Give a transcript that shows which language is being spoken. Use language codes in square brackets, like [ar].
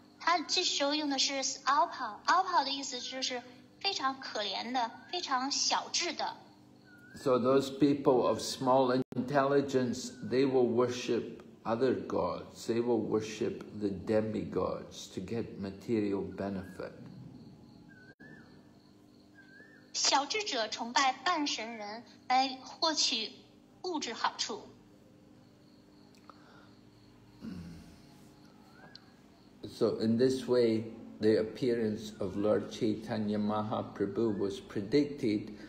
[zh] 他这时候用的是 alpa. Alpa 的意思就是非常可怜的，非常小智的。 [en] So those people of small intelligence, they will worship other gods. They will worship the demigods to get material benefit. [zh] 小智者崇拜半神人来获取物质好处。 [en] So in this way, the appearance of Lord Chaitanya Mahaprabhu was predicted.